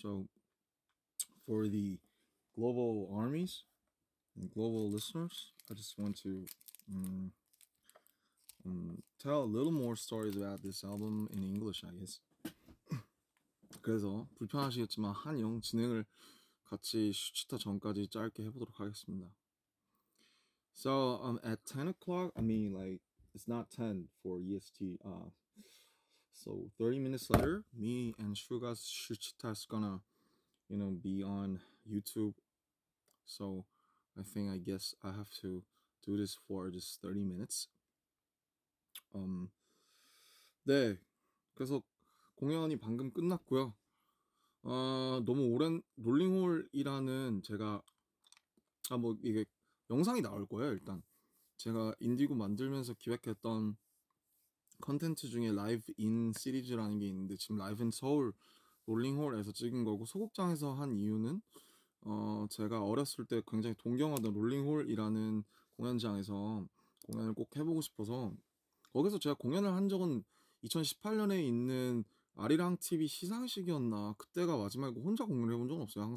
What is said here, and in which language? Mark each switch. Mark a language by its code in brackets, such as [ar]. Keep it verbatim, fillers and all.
[en] So for the global armies and global listeners, I just want to um, um tell a little more stories about this album in English, I guess. [ko] 그래서 불편하시겠지만 한영 진행을 같이 슈치타 전까지 짧게 해보도록 하겠습니다. [en] So um at ten o'clock, I mean like it's not ten for E S T. Uh, so thirty minutes later, me and Shuga Shuchita is gonna, you know, be on YouTube. So I think I guess I have to do this for just thirty minutes. [ko] Um, 네, 그래서 공연이 방금 끝났고요. 아 너무 오랜 롤링홀이라는 제가 아 뭐 이게 영상이 나올 거예요. 일단 제가 인디고 만들면서 기획했던 컨텐츠 중에 라이브 인 시리즈라는 게 있는데 지금 라이브 인 서울 롤링홀에서 찍은 거고 소극장에서 한 이유는 어 제가 어렸을 때 굉장히 동경하던 롤링홀이라는 공연장에서 공연을 꼭 해보고 싶어서 거기서 제가 공연을 한 적은 이천십팔 년에 있는 아리랑 티비 시상식이었나 그때가 마지막이고 혼자 공연을 해본 적은 없어요.